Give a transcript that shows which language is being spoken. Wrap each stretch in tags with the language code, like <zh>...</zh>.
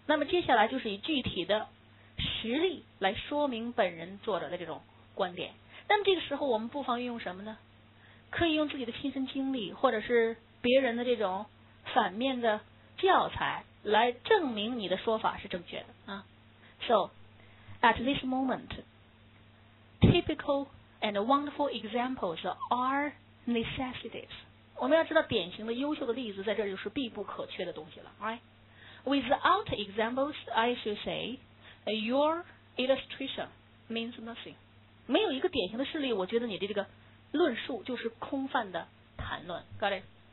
<zh>那么接下来就是以具体的实例来说明本人作者的这种观点。那么这个时候我们不妨运用什么呢？可以用自己的亲身经历或者是别人的这种反面的教材来证明你的说法是正确的啊。</zh> <en>So, at this moment, typical and wonderful examples are necessities.</en> <zh>我们要知道典型的优秀的例子在这就是必不可缺的东西了 ,right?</zh> <en>Without examples, I should say, your illustration means nothing.</en> <zh>没有一个典型的事例，我觉得你的这个论述就是空泛的谈论 ,got it?</zh>